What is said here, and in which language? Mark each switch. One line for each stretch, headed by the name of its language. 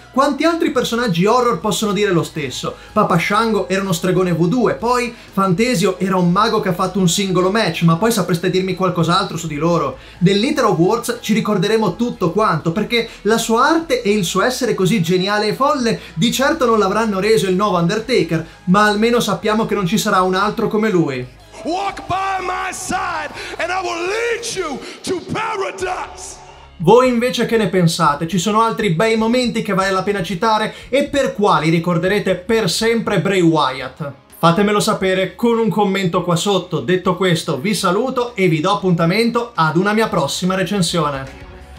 Italian: Quanti altri personaggi horror possono dire lo stesso? Papa Shango era uno stregone voodoo e poi Fantasio era un mago che ha fatto un singolo match, ma poi sapreste dirmi qualcos'altro su di loro? Del Little of Words ci ricorderemo tutto quanto, perché la sua arte e il suo essere così geniale e folle di certo non l'avranno reso il nuovo Undertaker, ma almeno sappiamo che non ci sarà un altro come lui.
English: Walk by my side and I will lead you to paradise.
Italian: Voi invece che ne pensate? Ci sono altri bei momenti che vale la pena citare e per quali ricorderete per sempre Bray Wyatt? Fatemelo sapere con un commento qua sotto. Detto questo, vi saluto e vi do appuntamento ad una mia prossima recensione.